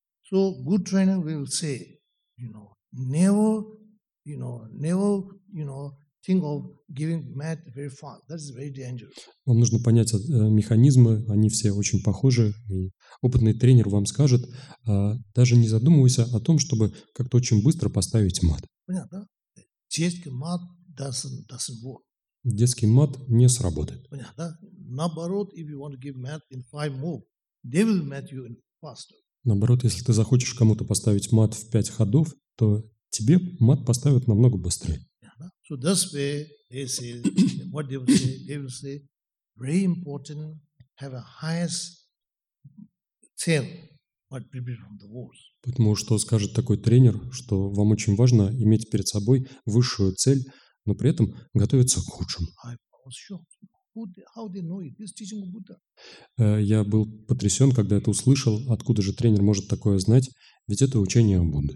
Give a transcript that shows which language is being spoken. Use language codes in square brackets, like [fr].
[en] So, good trainer will say, you know, never think of giving mat very fast. That is very dangerous. [ru] Вам нужно понять механизмы, они все очень похожи. И опытный тренер вам скажет, даже не задумывайся о том, чтобы как-то очень быстро поставить мат. Понятно, да? Детский мат [en] doesn't work. [ru] Детский мат не сработает. Понятно, да? Наоборот, [en] if you want to give mat in five moves, they will mat you faster. [ru] Наоборот, если ты захочешь кому-то поставить мат в пять ходов, то тебе мат поставят намного быстрее. [en] So that's where they say, what they will say, very important, have a highest tail, but prepare from the wars. [ru] Поэтому что скажет такой тренер, что вам очень важно иметь перед собой высшую цель, но при этом готовиться к худшему. [en] I was shocked. How they know it? This teaching of Buddha. [ru] Я был потрясен, когда это услышал. Откуда же тренер может такое знать? Ведь это учение Будды.